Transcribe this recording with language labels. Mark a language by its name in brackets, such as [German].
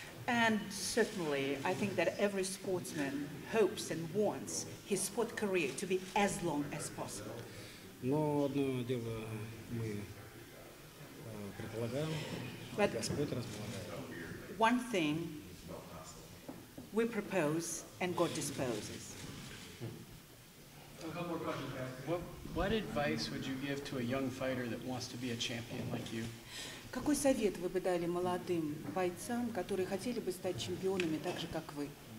[English] And certainly, I think that every sportsman hopes and wants his sport career to be as long as possible. [Russian] Но одно дело мы предполагаем, [English] but [Russian] Господь располагает. [English] One thing we propose and God disposes. A couple more questions, guys. What advice would you give to a young fighter that wants to be a champion like you? [Russian] Какой совет вы бы дали молодым бойцам, которые хотели бы стать чемпионами так же, как вы?